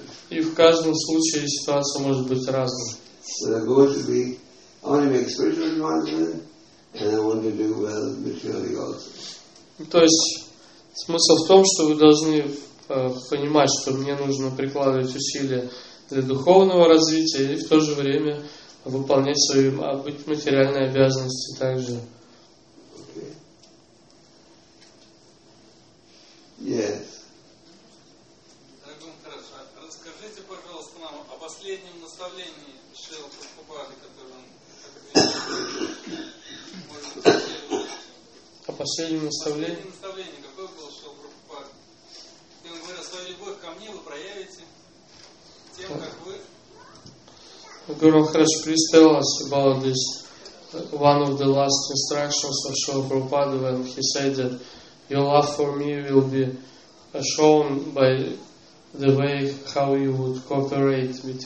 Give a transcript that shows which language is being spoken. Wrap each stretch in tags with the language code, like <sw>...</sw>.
<ru>И в каждом случае ситуация может быть разной.</ru> <en>And I want to do well materially also.</en> <ru>То есть смысл в том, что вы должны понимать, что мне нужно прикладывать усилия для духовного развития и в то же время выполнять свои материальные обязанности также.</ru> <en>Okay. Yes.</en> <ru>Дорогой Махарадж, расскажите, пожалуйста, нам о последнем наставлении Шрилы Прабхупады, который он Последнее наставление. Какое было Шрилы Прабхупады? Он говорил, свою любовь ко мне вы проявите тем, как вы.</ru> <en>Гуру Махарадж, please tell us about this one of the last instructions of Srila Prabhupada when he said that your love for me will be shown by the way how you would cooperate with</en>